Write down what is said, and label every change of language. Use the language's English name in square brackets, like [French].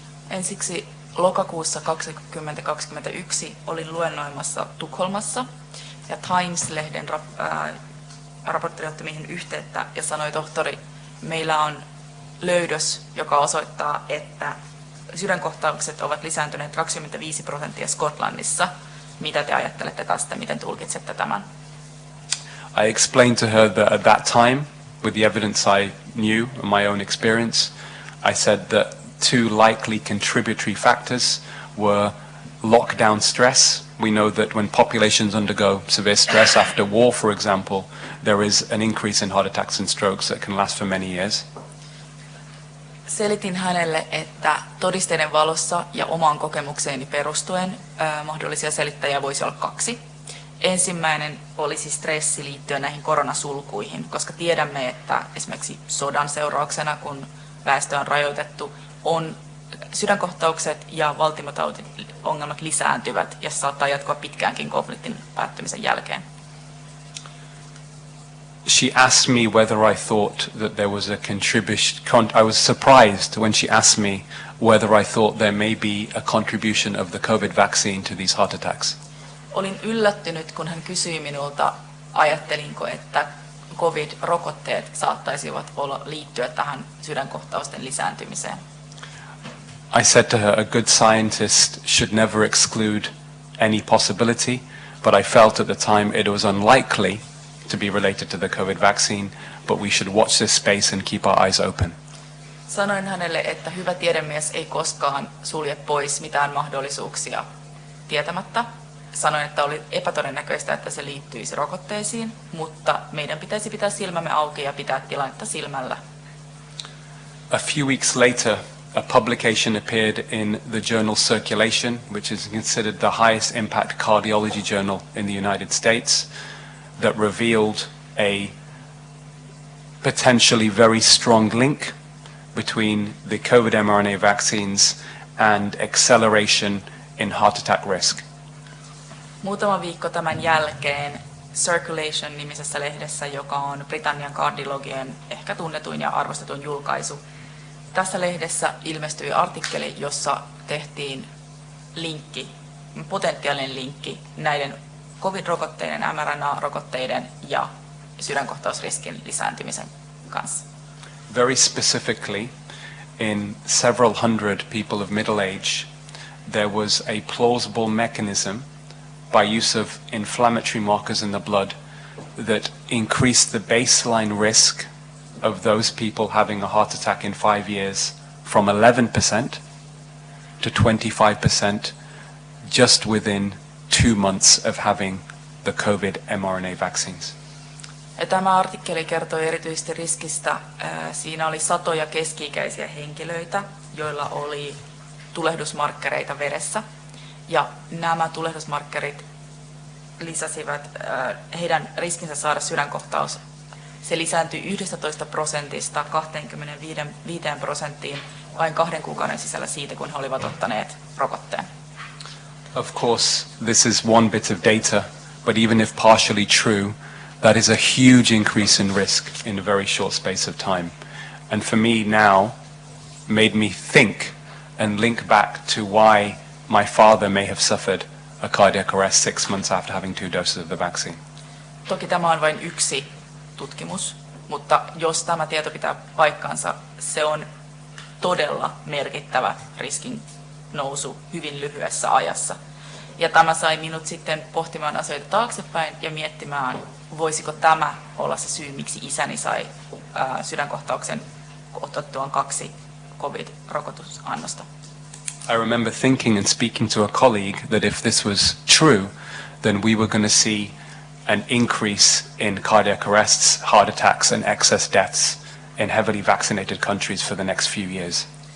[Finnish] Ensiksi lokakuussa 2021 olin luennoimassa Tukholmassa, ja Times-lehden raportti otti meihin yhteyttä ja sanoi, tohtori, meillä on löydös, joka osoittaa, että sydänkohtaukset ovat lisääntyneet 25% Skotlannissa. Mitä te ajattelette tästä? Miten tulkitsette tämän? [English] I explained to her that at that time, with the evidence I knew and my own experience, I said that two likely contributory factors were lockdown stress. We know that when populations undergo severe stress after war, for example, there is an increase in heart attacks and strokes that can last for many years. [Finnish] Selitin hänelle, että todisteiden valossa ja omaan kokemukseeni perustuen mahdollisia selittäjiä voisi olla kaksi. Ensimmäinen olisi stressi liittyen näihin koronasulkuihin, koska tiedämme, että esimerkiksi sodan seurauksena, kun väestö on rajoitettu, on sydänkohtaukset ja valtimotautin ongelmat lisääntyvät ja saattaa jatkoa pitkäänkin konfliktin päättymisen jälkeen. [English] She asked me whether I thought that there was a contribution. I was surprised when she asked me whether I thought there may be a contribution of the COVID vaccine to these heart attacks. [Finnish] Olin yllättynyt, kun hän kysyi minulta, ajattelinko, että COVID-rokotteet saattaisivat olla liittyä tähän sydänkohtausten lisääntymiseen. [English] I said to her, a good scientist should never exclude any possibility, but I felt at the time it was unlikely to be related to the COVID vaccine, but we should watch this space and keep our eyes open. [Finnish] Sanoin hänelle, että hyvä tiedemies ei koskaan sulje pois mitään mahdollisuuksia tietämättä. Sanoin, että oli epätodennäköistä, että se liittyisi rokotteisiin, mutta meidän pitäisi pitää silmämme auki ja pitää tilannetta silmällä. [English] A few weeks later, a publication appeared in the journal Circulation, which is considered the highest impact cardiology journal in the United States, that revealed a potentially very strong link between the COVID mRNA vaccines and acceleration in heart attack risk. [Finnish] Muutama viikko tämän jälkeen Circulation-nimisessä lehdessä, joka on Britannian kardiologian ehkä tunnetuin ja arvostetun julkaisu, tässä lehdessä ilmestyi artikkeli, jossa tehtiin linkki, potentiaalinen linkki näiden COVID-rokotteiden, mRNA-rokotteiden ja sydänkohtausriskin lisääntymisen kanssa. [English] Very specifically, in several hundred people of middle age, there was a plausible mechanism by use of inflammatory markers in the blood that increased the baseline risk of those people having a heart attack in 5 years from 11% to 25% just within 2 months of having the COVID mRNA vaccines. [Finnish] Ja tämä artikkeli kertoi erityisesti riskistä. Siinä oli satoja keski-ikäisiä henkilöitä, joilla oli tulehdusmarkkereita veressä. Ja nämä tulehdusmarkkerit lisäsivät heidän riskinsä saada sydänkohtaus. Se lisääntyi 11% 25% vain 2 kuukauden sisällä siitä, kun he olivat ottaneet rokotteen. [English] Of course, this is one bit of data, but even if partially true, that is a huge increase in risk in a very short space of time. And for me now, made me think and link back to why my father may have suffered a cardiac arrest 6 months after having 2 doses of the vaccine. [Finnish] Toki tämä on vain yksi tutkimus, mutta jos tämä tieto pitää paikkansa, se on todella merkittävä riskin nousu hyvin lyhyessä ajassa. Ja tämä sai minut sitten pohtimaan asioita taaksepäin ja miettimään, voisiko tämä olla se syy, miksi isäni sai sydänkohtauksen otettuaan 2 COVID-rokotusannosta. [English] I remember thinking and speaking to a colleague that if this was true, then we were going to see an increase in cardiac arrests, heart attacks and excess deaths in heavily vaccinated countries for the next few years.